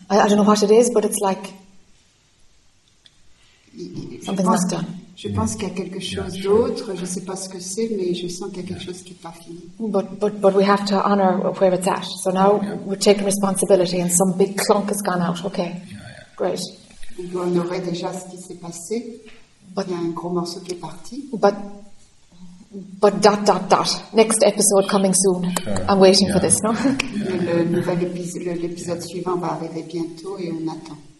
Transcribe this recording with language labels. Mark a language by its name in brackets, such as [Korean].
[English] I don't know what it is, but it's like something not done. [French] Je pense qu'il y a quelque chose d'autre. Je ne sais pas ce que c'est, mais je sens qu'il y a quelque chose qui n'est pas fini. [English] But we have to honor where it's at. So now we're taking responsibility, and some big clunk has gone out. Okay, great. [French] On doit honorer déjà ce qui s'est passé. [English] But, [French] il y a un gros morceau qui est parti. [English] But .. Next episode coming soon. I'm waiting for this. No. [French] L'épisode suivant va arriver bientôt, et on attend.